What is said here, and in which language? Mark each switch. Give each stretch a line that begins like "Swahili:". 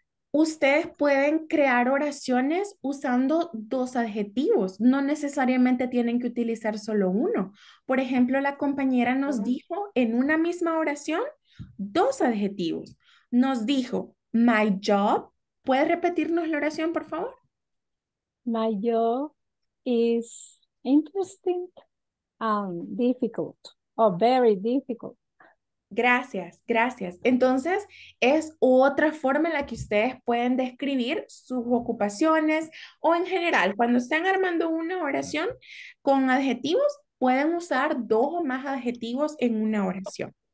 Spanish: Ustedes pueden crear oraciones usando dos adjetivos. No necesariamente tienen que utilizar solo uno. Por ejemplo, la compañera nos dijo en una misma oración dos adjetivos. Nos dijo, my job. ¿Puede repetirnos la oración, por favor?
English: My job is interesting and difficult, or very difficult.
Spanish: Gracias, gracias. Entonces, es otra forma en la que ustedes pueden describir sus ocupaciones o en general, cuando están armando una oración con adjetivos, pueden usar dos o más adjetivos en una oración.